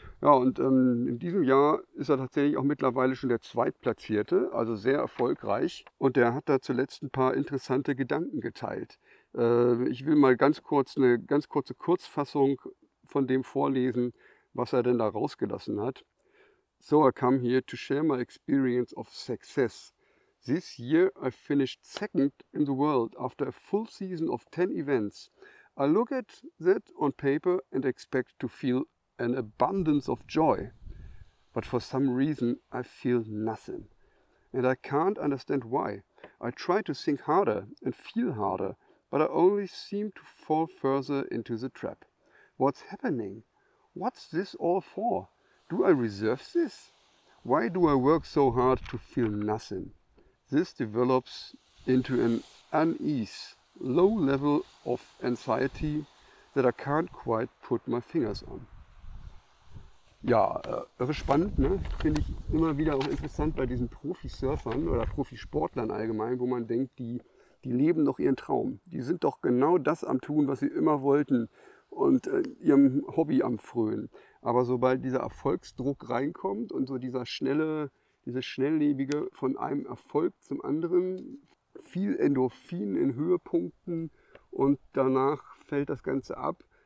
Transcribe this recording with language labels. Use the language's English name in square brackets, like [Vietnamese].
[German] Ja, und in diesem Jahr ist er tatsächlich auch mittlerweile schon der Zweitplatzierte, also sehr erfolgreich. Und der hat da zuletzt ein paar interessante Gedanken geteilt. Ich will mal eine ganz kurze Kurzfassung von dem vorlesen, was er denn da rausgelassen hat. [English] So, I come here to share my experience of success. This year I finished second in the world after a full season of 10 events. I look at that on paper and expect to feel an abundance of joy. But for some reason I feel nothing. And I can't understand why. I try to think harder and feel harder, but I only seem to fall further into the trap. What's happening? What's this all for? Do I reserve this? Why do I work so hard to feel nothing? This develops into an unease, low level of anxiety that I can't quite put my fingers on. [German] Ja, irre spannend, ne? Finde ich immer wieder auch interessant bei diesen Profisurfern oder Profisportlern allgemein, wo man denkt, die leben doch ihren Traum. Die sind doch genau das am Tun, was sie immer wollten und ihrem Hobby am Frönen. Aber sobald dieser Erfolgsdruck reinkommt und so diese schnelllebige von einem Erfolg zum anderen, viel Endorphin in Höhepunkten und danach fällt das Ganze ab.